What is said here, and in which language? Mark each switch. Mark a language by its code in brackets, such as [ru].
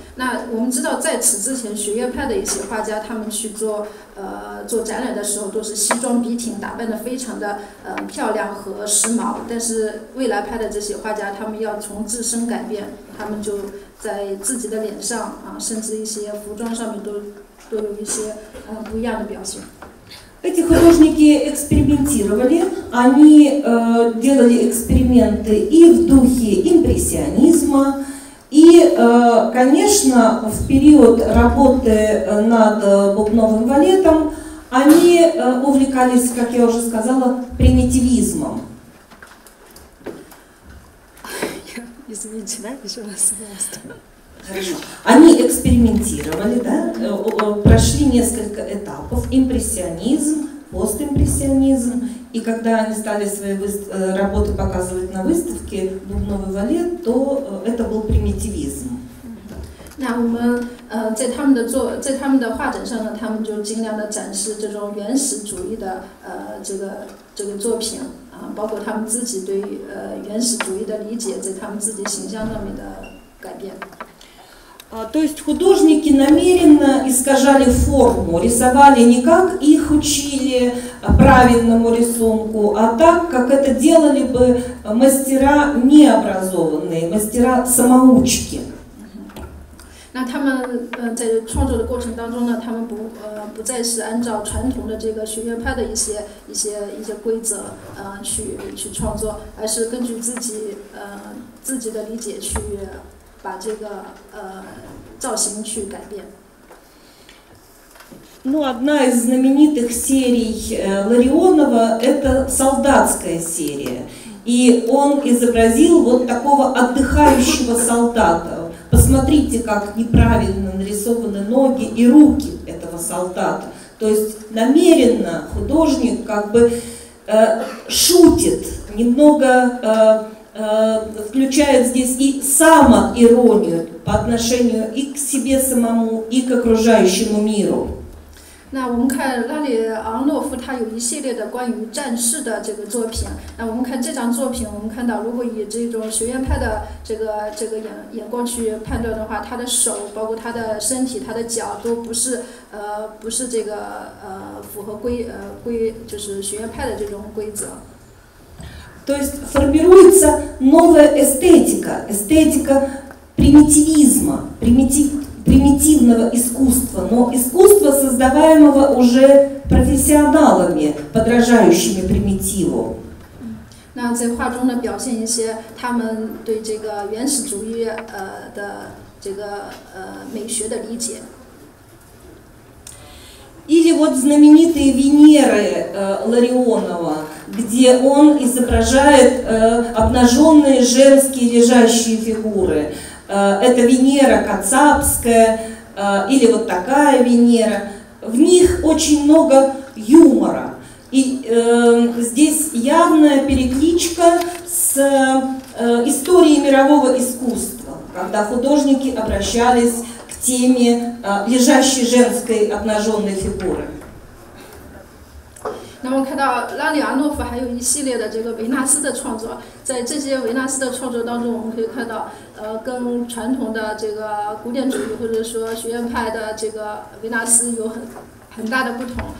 [zh] 那我们知道，在此之前，学院派的一些画家他们去做展览的时候，都是西装笔挺，打扮得非常的漂亮和时髦。但是未来派的这些画家，他们要从自身改变，他们就在自己的脸上啊，甚至一些服装上面都有一些不一样的表现。 [ru] Эти художники экспериментировали, они делали эксперименты и в духе импрессионизма, и, конечно, в период работы над Бубновым валетом они увлекались, как я уже сказала, примитивизмом. Извините, да, еще раз. Хорошо. Они экспериментировали, да, прошли несколько этапов, импрессионизм, постимпрессионизм, и когда они стали свои работы показывать на выставке «Бубновый валет», то это был примитивизм. [zh] 那我们在他们的画展上呢，他们就尽量的展示这种原始主义的这个作品啊，包括他们自己对原始主义的理解，在他们自己形象上面的改变。 [ru] То есть художники намеренно искажали форму, рисовали не как их учили правильному рисунку, а так, как это делали бы мастера необразованные, мастера самоучки. [zh] 那他们在创作的过程当中呢，他们不再是按照传统的这个学院派的一些规则去创作，而是根据自己的理解去。把这个造型去改变。 [ru] Ну, одна из знаменитых серий Ларионова это солдатская серия, и он изобразил вот такого отдыхающего солдата. Посмотрите, как неправильно нарисованы ноги и руки этого солдата. То есть намеренно художник как бы шутит немного. Включает здесь и самоиронию по отношению и к себе самому, и к окружающему миру. [zh] 那我们看拉里昂诺夫，他有一系列的关于战士的这个作品。那我们看这张作品，我们看到，如果以这种学院派的这个眼光去判断的话，他的手，包括他的身体，他的脚都不是这个符合规就是学院派的这种规则。 [ru] То есть формируется новая эстетика, эстетика примитивизма, примитивного искусства, но искусство, создаваемого уже профессионалами, подражающими примитиву. [zh] 那在画中呢，表现一些他们对这个原始主义的这个美学的理解。 [ru] Или вот знаменитые Венеры Ларионова, где он изображает обнаженные женские лежащие фигуры. Это Венера Кацапская или вот такая Венера. В них очень много юмора. И здесь явная перекличка с историей мирового искусства, когда художники обращались к теме лежащей женской обнаженной фигуры. [zh] 那我们看到拉里昂诺夫还有一系列的这个维纳斯的创作，在这些维纳斯的创作当中，我们可以看到，跟传统的这个古典主义或者说学院派的这个维纳斯有很大的不同。